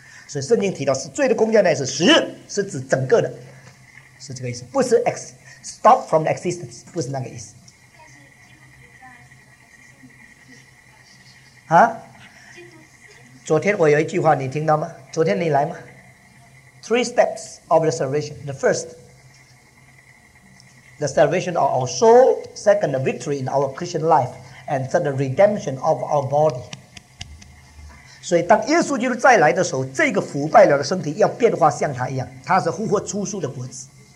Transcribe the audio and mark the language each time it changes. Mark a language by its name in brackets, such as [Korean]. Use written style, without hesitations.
[Chinese] 所以圣经提到是罪的工价乃是死，是指整个的，是这个意思，不是 [English] stop from the existence， [Chinese] 不是那个意思啊。昨天我有一句话你听到吗？昨天你来吗？ [English] Three steps of the salvation. The first, the salvation of our soul. Second, the victory in our Christian life. And third, the redemption of our body. [Chinese] 所以当耶稣基督再来的时候，这个腐败了的身体要变化像他一样，他是复活出书的果子。